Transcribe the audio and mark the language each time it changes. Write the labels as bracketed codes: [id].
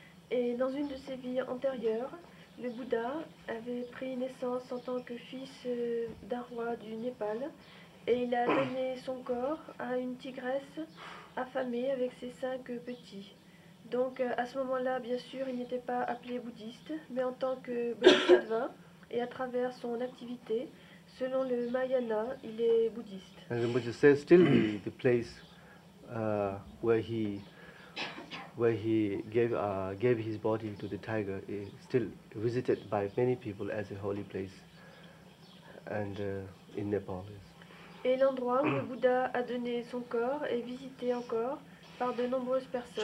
[fr] Et dans une de ses vies antérieures, le Bouddha avait pris naissance en tant que fils d'un roi du Népal, et il a donné son corps à une tigresse affamé avec ses cinq petits. Donc à ce moment-là, bien sûr, il n'était pas appelé bouddhiste, mais en tant que bodhisattva et à travers son activité, selon le Mahayana, il est bouddhiste. [en] And the Buddha says still the place where he gave his body to the tiger is still visited by many people as a holy place and in Nepal. [fr] Et l'endroit où le Bouddha a donné son corps est visité encore par de nombreuses personnes